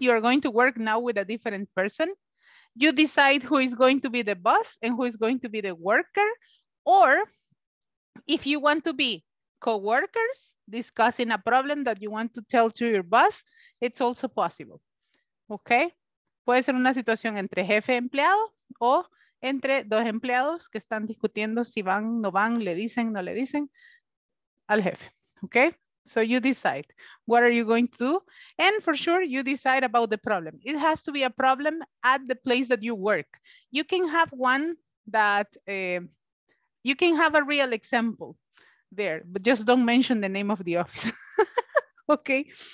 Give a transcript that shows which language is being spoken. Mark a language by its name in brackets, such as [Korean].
[English] You're going to work now with a different person. You decide who is going to be the boss and who is going to be the worker, or if you want to be co-workers discussing a problem that you want to tell to your boss, it's also possible, okay? [Spanish] Puede ser una situación entre jefe empleado o entre dos empleados que están discutiendo si van, no van, le dicen, no le dicen al jefe, okay? [English] So you decide, what are you going to do? And for sure, you decide about the problem. It has to be a problem at the place that you work. You can have one that, you can have a real example there, but just don't mention the name of the office, okay?